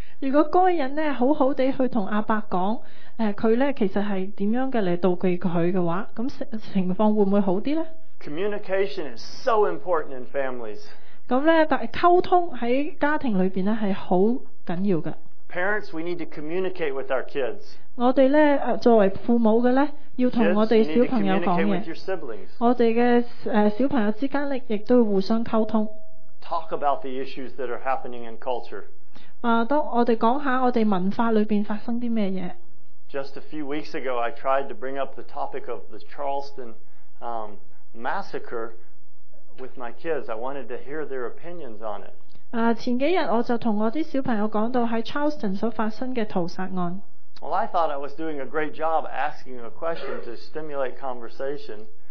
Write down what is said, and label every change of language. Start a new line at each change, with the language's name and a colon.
Cantonese: 如果該隱咧好好地去同阿伯講，佢咧其實係點樣嘅嚟妒忌佢嘅話，咁情況會唔會好啲咧
English: ？Communication is so important in families.
Cantonese: 咁咧，但系溝通喺家庭裏邊咧係好緊要嘅。
English: Parents, we need to communicate with our kids.
Cantonese: 我哋咧作為父母嘅咧，要同我哋小朋友講嘢。我哋嘅小朋友之間咧，亦都互相溝通。
English: Talk about the issues that are happening in culture.
Cantonese: 當我哋講下我哋文化裏邊發生啲咩嘢。
English: Just a few weeks ago, I tried to bring up the topic of the Charleston massacre. With my kids, I wanted to hear their opinions on it.
Cantonese: 前幾日我就同我啲小朋友講到喺 Charleston 所發生嘅屠殺案。
English: Well, I thought I was doing a great job asking a question to stimulate conversation.